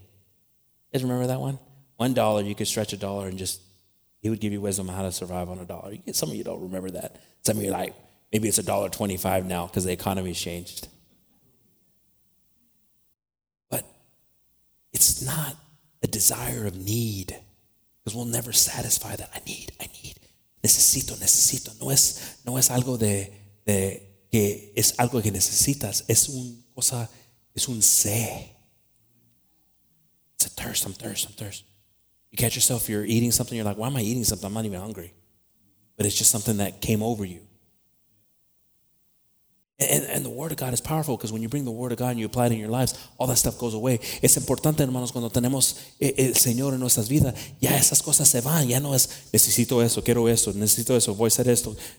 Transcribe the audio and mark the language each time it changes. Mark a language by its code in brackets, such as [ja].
[en] You guys remember that one? $1, you could stretch $1 and just, he would give you wisdom on how to survive on $1. Some of you don't remember that. Some of you are like, maybe it's $1.25 now because the economy's changed. But it's not a desire of need because we'll never satisfy that. I need. [es] Necesito. No es algo de que es algo que necesitas. Es un sé. [en] It's a thirst. I'm thirst. You catch yourself, you're eating something, you're like, why am I eating something? I'm not even hungry. But it's just something that came over you. And the Word of God is powerful because when you bring the Word of God and you apply it in your lives, all that stuff goes away. [es] Es importante, hermanos, cuando tenemos el Señor en nuestras vidas, ya esas cosas se van. Ya no es, necesito eso, quiero eso, necesito eso, voy a hacer esto.